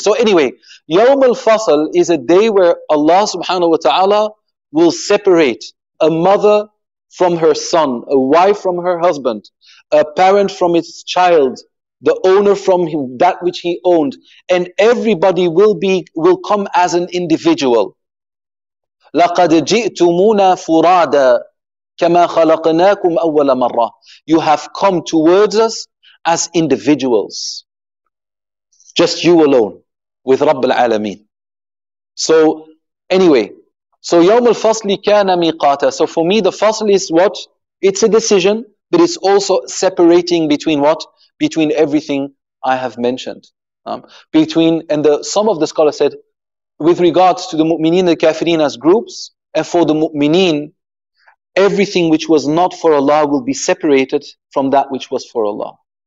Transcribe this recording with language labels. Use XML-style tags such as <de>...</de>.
<en>So anyway, Yawm al-Fasl is a day where Allah subhanahu wa ta'ala will separate a mother from her son, a wife from her husband, a parent from his child, the owner from him, that which he owned, and everybody will come as an individual.</en> <ar>لَقَدْ جِئْتُمُونَا فُرَادًا كَمَا خَلَقْنَاكُمْ أَوَّلَ مَرَّةٍ.</ar> <en>You have come towards us as individuals. Just you alone with رب العالمين. So anyway, so</en> <ar>يَوْمُ الْفَصْلِ كَانَ مِقَاتًا.</ar> <en>So for me, the fasl is what? It's a decision, but it's also separating between what? Between everything I have mentioned. Some of the scholars said, with regards to the mu'mineen and the kafirin as groups, and for the mu'mineen, everything which was not for Allah will be separated from that which was for Allah.</en>